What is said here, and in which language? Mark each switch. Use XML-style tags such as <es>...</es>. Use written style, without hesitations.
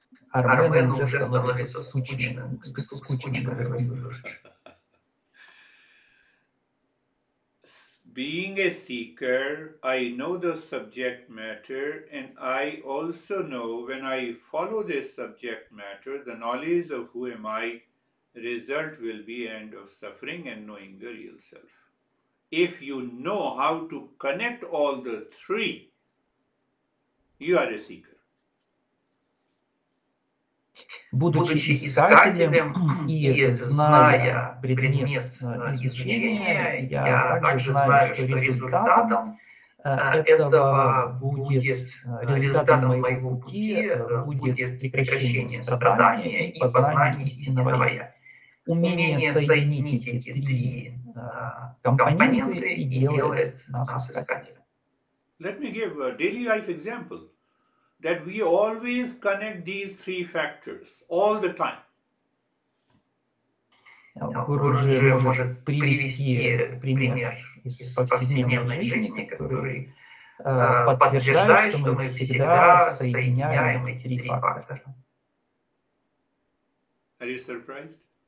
<uk>Армену вже становиться скучним.</uk> <en>Being a seeker, I know the subject matter, and I also know when I follow this subject matter, the knowledge of who am I, result will be end of suffering and knowing the real self. If you know how to connect all the three, you are a seeker.</en> <ru>Будучи искателем і зная предмет изучения, я также знаю, что результатом этого будет результатом моего пути будет прекращение страдания и познание истинного я. Умение соединить эти три компоненты и делает нас искателем.</ru> <en>Let me give a daily life example. That we always connect these three factors all the time.</en> <ru>Гуруджи може привести пример из повседневной жизни, который подтверждает, что мы всегда соединяем эти три фактора.</ru> <en>Are you surprised?</en>